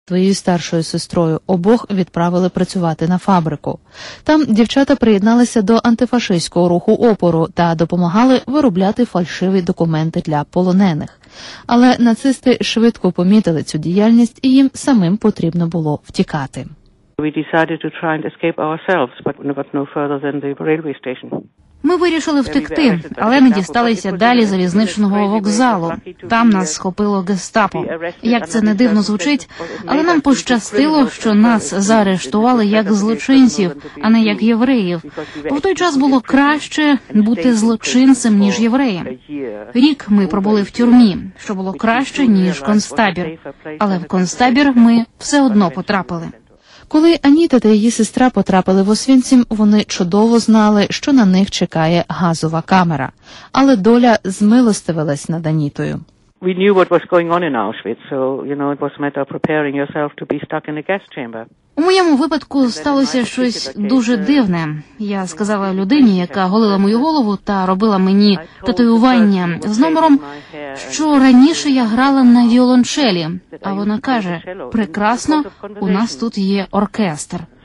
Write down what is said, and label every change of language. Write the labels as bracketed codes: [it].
[uk] Твоєю старшою сестрою обох відправили працювати на фабрику. Там дівчата приєдналися до антифашистського руху опору та допомагали виробляти фальшиві документи для полонених. Але нацисти швидко помітили цю діяльність, і їм самим потрібно було втікати. [en] We decided to try and escape ourselves, but we got no further than the railway station. [uk] Ми вирішили втекти, але не дісталися далі залізничного вокзалу. Там нас схопило гестапо. Як це не дивно звучить, але нам пощастило, що нас заарештували як злочинців, а не як євреїв. В той час було краще бути злочинцем, ніж євреєм. Рік ми пробули в тюрмі, що було краще, ніж концтабір. Але в концтабір ми все одно потрапили. Коли Аніта та її сестра потрапили в Освінцим, вони чудово знали, що на них чекає газова камера. Але доля змилостивилась над Анітою. [en] We knew what was going on in Auschwitz, so, you know, it was a matter of preparing yourself to be stuck in a gas chamber. [uk] У моєму випадку сталося щось дуже дивне. Я сказала людині, яка голила мою голову та робила мені татуювання з номером, що раніше я грала на віолончелі. А вона каже: «Прекрасно, у нас тут є оркестр».